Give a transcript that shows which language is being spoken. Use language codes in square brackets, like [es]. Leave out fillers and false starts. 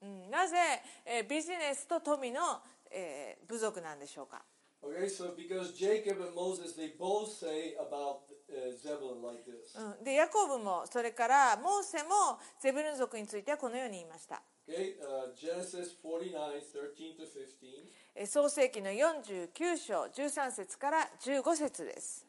[ja] なぜ、ビジネスと富の、部族なんでしょうか。 [en] Okay, so because Jacob and Moses, they both say about, Zebulun like this. [ja] で、ヤコブもそれからモーセもゼブルン族についてはこのように言いました。 [en] Okay, Genesis 49:13-15. [ja] 創世記の49章13節から15節です。